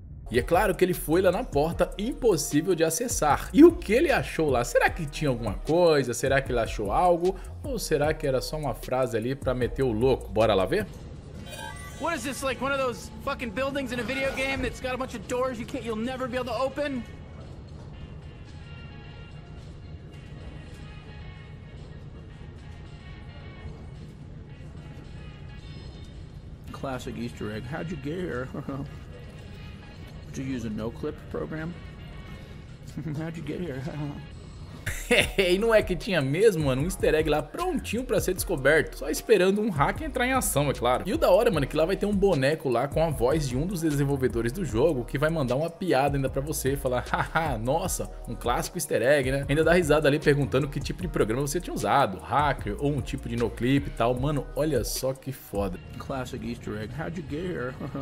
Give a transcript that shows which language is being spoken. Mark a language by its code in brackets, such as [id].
[pt] E é claro que ele foi lá na porta, impossível de acessar. E o que ele achou lá? Será que tinha alguma coisa? Será que ele achou algo? Ou será que era só uma frase ali pra meter o louco? Bora lá ver? O que é isso? Como um desses [en] fucking buildings in a video game that's got a bunch of doors you can't, you'll never be able to open? Classic Easter egg. How'd you get here? Did you use a no-clip program? How'd you get here? [pt] E não é que tinha mesmo, mano, um easter egg lá prontinho pra ser descoberto, só esperando um hacker entrar em ação, é claro. E o da hora, mano, é que lá vai ter um boneco lá com a voz de um dos desenvolvedores do jogo, que vai mandar uma piada ainda pra você, falar, haha, nossa, um clássico easter egg, né? Ainda dá risada ali perguntando que tipo de programa você tinha usado, hacker ou um tipo de noclip e tal. Mano, olha só que foda. [en] Classic easter egg, how'd you get here?